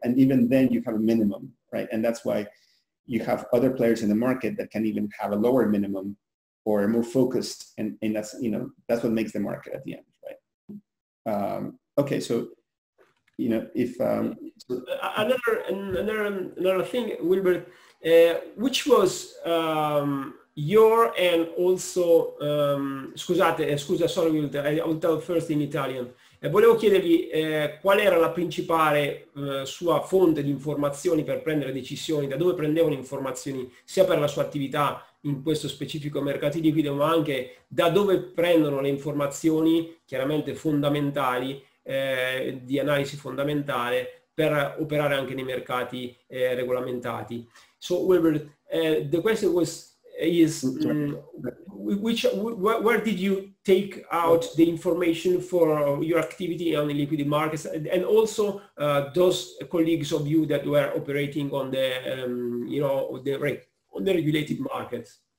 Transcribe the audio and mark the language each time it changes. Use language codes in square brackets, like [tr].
[en] And even then you have a minimum, right? And that's why you have other players in the market that can even have a lower minimum or more focused, and that's, you know, that's what makes the market at the end, right? Okay, so, you know, if... Another thing, Wilbert, which was your and also... [it] Scusa, [en] sorry, Wilbert, I will tell first in Italian. [it] Volevo chiedervi qual era la principale sua fonte di informazioni per prendere decisioni, da dove prendevano informazioni sia per la sua attività in questo specifico mercato liquido, ma anche da dove prendono le informazioni chiaramente fondamentali, di analisi fondamentale per operare anche nei mercati regolamentati. [en] So, Wilbert, the question was, is where did you take out the information for your activity on the liquid markets, and also those colleagues of you that were operating on the you know, on the regulated markets?